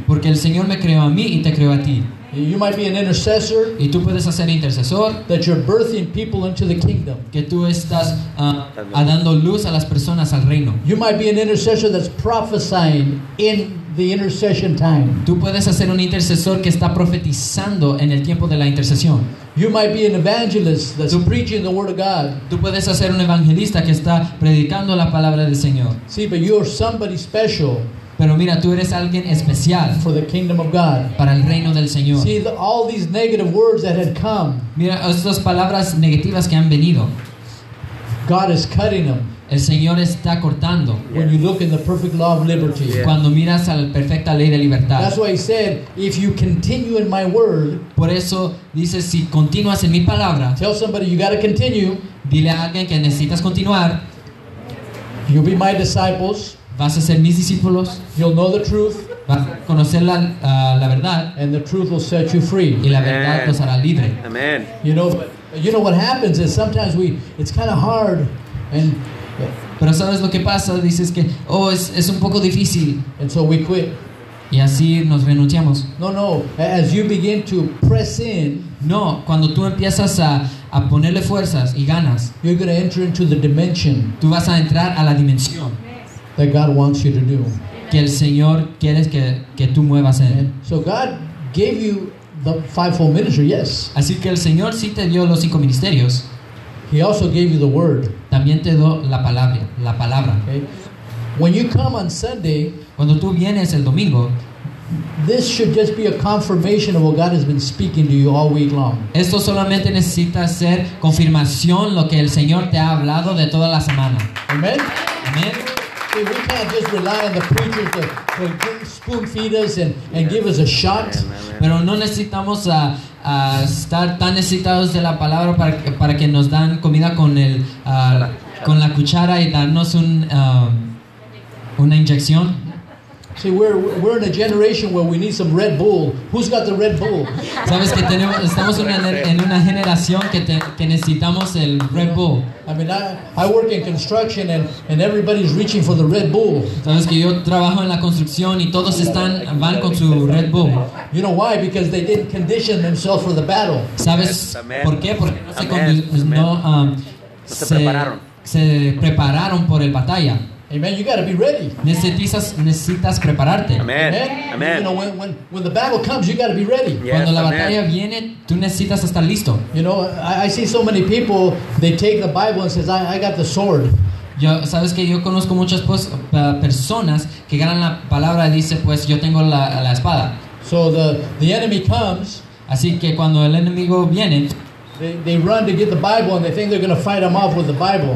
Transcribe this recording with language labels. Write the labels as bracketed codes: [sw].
[es] Porque el Señor me creó a mí y te creó a ti. [en] You might be an intercessor. [es] Y tú puedes hacer intercesor. [en] That you're birthing people into the kingdom. [es] Que tú estás dando luz a las personas al reino. [en] You might be an intercessor that's prophesying in the intercession time. [es] Tú puedes hacer un intercesor que está profetizando en el tiempo de la intercesión. [en] You might be an evangelist that's preaching the word of God. [es] Tú puedes hacer un evangelista que está predicando la palabra del Señor. [en] See, but you're somebody special. [es] Pero mira, tú eres alguien especial [en] for the kingdom of God. [es] Para el reino del Señor. [en] See, all these negative words that had come. [es] Mira, estas palabras negativas que han venido. [en] God is cutting them. [es] El Señor está cortando. [en] Yes. When you look in the perfect law of liberty. Yes. [es] Cuando miras a la perfecta ley de libertad. [en] That's why he said, if you continue in my word. [es] Por eso dice, si continúas en mi palabra. [en] Tell somebody you got to continue. [es] Dile a alguien que necesitas continuar. [en] You'll be my disciples. [es] Vas a ser mis discípulos. [en] You'll know the truth. [es] Vas a conocer la la verdad. [en] And the truth will set you free. [es] Y la verdad Amen. Los hará libre. [en] Amen. You know what happens is sometimes it's kind of hard and [es] pero sabes lo que pasa, dices que es un poco difícil. [en] And so we quit. [es] Y así nos renunciamos. [en] No, as you begin to press in, [es] no, cuando tú empiezas a ponerle fuerzas y ganas, [en] you're going to enter into the dimension. [es] Tú vas a entrar a la dimensión [en] that God wants you to do. [es] Que el Señor quiere que tú muevas en. [en] Amen. So God gave you the fivefold ministry, yes. [es] Así que el Señor sí te dio los cinco ministerios. [en] He also gave you the word. [es] También te dio la palabra. [en] Okay. When you come on Sunday, [es] cuando tú vienes el domingo, [en] this should just be a confirmation of what God has been speaking to you all week long. [es] Esto solamente necesita ser confirmación lo que el Señor te ha hablado de toda la semana. [en] Amen. Amen. See, we can't just rely on the preachers to spoon feed us and give us a shot. [es] Pero no necesitamos a estar tan necesitados de la palabra para que nos dan comida con el con la cuchara y darnos una inyección. [en] See, we're in a generation where we need some Red Bull. Who's got the Red Bull? [es] Sabes que estamos en una generación que necesitamos el Red Bull. [en] I mean, I work in construction and everybody's reaching for the Red Bull. [es] Sabes que yo trabajo en la construcción y todos están van con su Red Bull. [en] You know why? Because they didn't condition themselves for the battle. [es] Sabes por qué? Porque no se prepararon por el batalla. [en] Amen. You got to be ready. [es] Necesitas prepararte. [en] Amen. Amen. Amen. You know, when the battle comes, you got to be ready. Yes. [es] Cuando la batalla Amen. Viene, tú necesitas estar listo. [en] You know, I see so many people, they take the Bible and says, I got the sword. [es] Yo, sabes que yo conozco muchas personas que ganan la palabra y dice, pues yo tengo la espada. [en] So the enemy comes. [es] Así que cuando el enemigo viene, [en] they run to get the Bible and they think they're going to fight them off with the Bible.